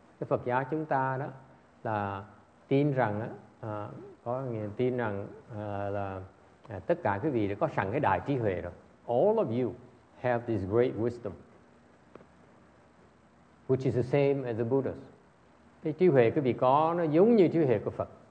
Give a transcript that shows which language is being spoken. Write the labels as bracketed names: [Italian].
[Vietnamese] Cái Phật giáo chúng ta đó là tin rằng á, có nghĩa tin rằng là tất cả quý vị đã có sẵn cái đại trí huệ rồi. [English] All of you have this great wisdom, which is the same as the Buddha's. [Vietnamese] Cái trí huệ quý vị có nó giống như trí huệ của Phật.